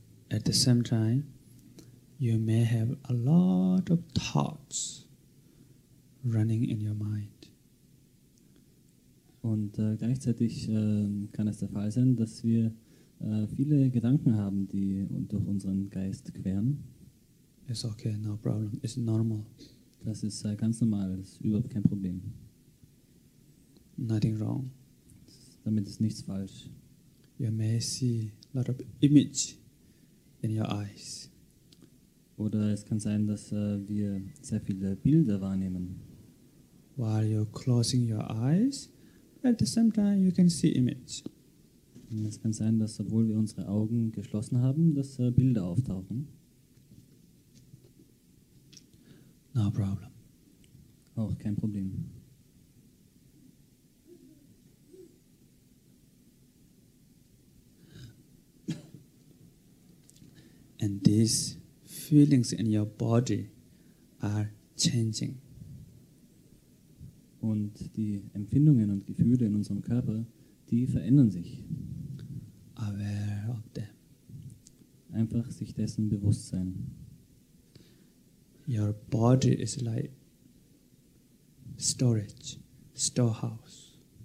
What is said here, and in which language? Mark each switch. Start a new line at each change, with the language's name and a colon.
English: At the same time, you may have a lot of thoughts running in your mind.
German: Und gleichzeitig kann es der Fall sein, dass wir viele Gedanken haben, die durch unseren Geist queren.
English: It's okay, no problem. It's normal.
German: Das ist ganz normal, das ist überhaupt kein Problem.
English: Nothing wrong.
German: Damit ist nichts falsch.
English: You may see a lot of image in your eyes.
German: Oder es kann sein, dass wir sehr viele Bilder wahrnehmen.
English: While you're closing your eyes, at the same time you can see image.
German: Und es kann sein, dass obwohl wir unsere Augen geschlossen haben, dass Bilder auftauchen.
English: No problem.
German: Auch kein Problem.
English: And these feelings in your body are changing.
German: Und die Empfindungen und Gefühle in unserem Körper, die verändern sich.
English: Aware of them.
German: Einfach sich dessen bewusst sein.
English: Your body is like storage, storehouse.